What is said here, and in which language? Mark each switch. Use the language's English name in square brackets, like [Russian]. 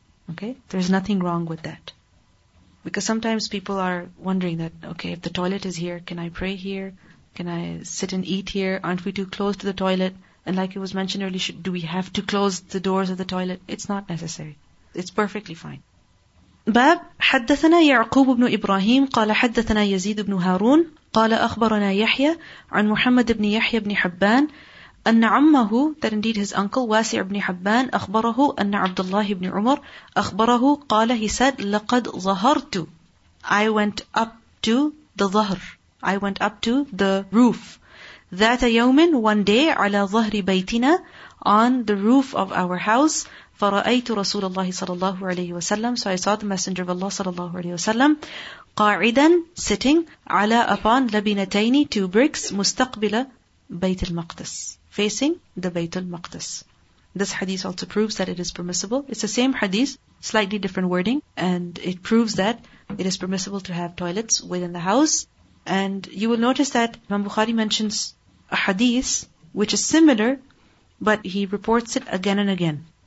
[English] Okay, there's nothing wrong with that. Because sometimes people are wondering that, okay, if the toilet is here, can I pray here? Can I sit and eat here? Aren't we too close to the toilet? And like it was mentioned earlier, do we have to close the doors of the toilet? It's not necessary. It's perfectly fine. [Arabic] باب حدثنا يعقوب بن إبراهيم قال حدثنا يزيد بن هارون قال أخبرنا يحيى عن محمد بن يحيى بن حبان أن عمه, [English] that indeed his uncle [Arabic] واسع بن حبان أخبره أن عبد الله بن عمر أخبره قال, [English] he said, [Arabic] لقد ظهرت, [English] I went up to the ظهر, I went up to the roof, [Arabic] ذات يوم, [English] one day, [Arabic] على ظهر بيتنا, [English] on the roof of our house, [Arabic] فرأيت رسول الله صلى الله عليه وسلم, [English] so I saw the messenger of Allah صلى الله عليه وسلم, [Arabic] قاعدا, [English] sitting, [Arabic] على, [English] upon, [Arabic] لبنتين, [English] two bricks, [Arabic] مستقبل بيت المقدس, [English] facing the بيت المقدس. This hadith also proves that it is permissible. It's the same hadith, slightly different wording, and it proves that it is permissible to have toilets within the house. And you will notice that Imam Bukhari mentions a hadith which is similar, but he reports it again and again.